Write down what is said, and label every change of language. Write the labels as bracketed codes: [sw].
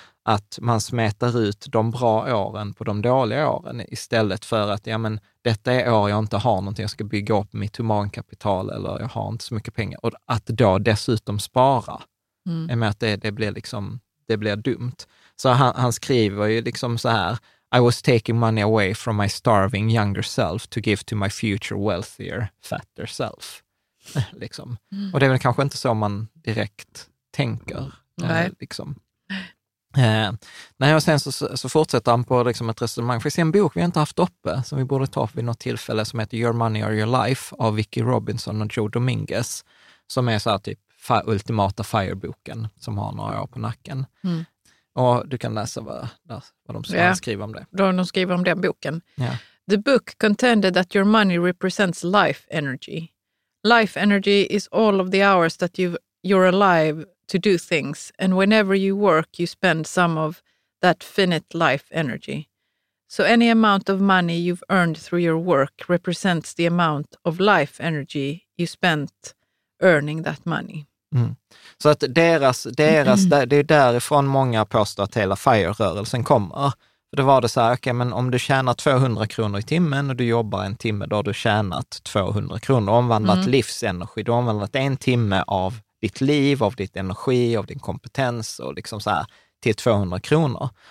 [sv] Att man smetar ut de bra åren på de dåliga åren istället för att ja, men detta är år jag inte har någonting, jag ska bygga upp mitt humankapital eller jag har inte så mycket pengar. Och att då dessutom spara är med att det blir liksom, det blir dumt. Så han skriver ju liksom så här: [en] I was taking money away from my starving younger self to give to my future wealthier, fatter self. [sv] Liksom. Mm. Och det är väl kanske inte så man direkt tänker. Nej. Liksom. Nej, och sen så fortsätter han på liksom ett resonemang. Finns det en bok vi inte haft uppe som vi borde ta vid något tillfälle som heter Your Money or Your Life av Vicky Robinson och Joe Dominguez, som är så här typ ultimata fireboken som har några år på nacken. Mm. Och du kan läsa vad de skriver om det. De skriver om den boken. [en] Yeah. The book contended that your money represents life energy. Life energy is all of the hours that you're alive to do things. And whenever you work, you spend some of that finite life energy. So any amount of money you've earned through your work represents the amount of life energy you spent earning that money. Mm. [sv] Så att det är därifrån många påstår att hela FIRE-rörelsen kommer. För då var det så här, okay, men om du tjänar 200 kronor i timmen och du jobbar en timme, då har du tjänat 200 kronor, omvandlat livsenergi, du har omvandlat en timme av ditt liv, av ditt energi, av din kompetens och liksom så här, till 200 kronor.